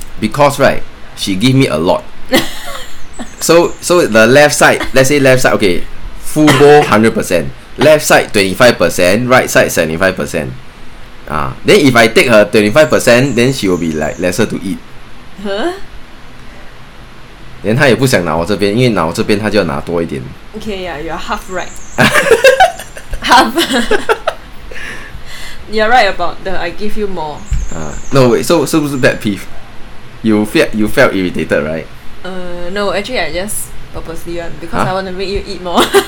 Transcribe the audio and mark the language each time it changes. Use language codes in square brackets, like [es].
[en] Because right, she give me a lot. So the left side. Let's say left side. Okay, full bowl 100%. Left side 25%. Right side 75%. Then if I take her 25%, then she will be like lesser to eat. Huh? [zh] 连他也不想拿我这边 因为拿我这边 他就要拿多一点 [en] Okay, yeah, you're half right. Half. You're right about the I give you more. No, wait, so was that peeve? You felt irritated, right? No, actually I just purposely want because huh? I want to make you eat more.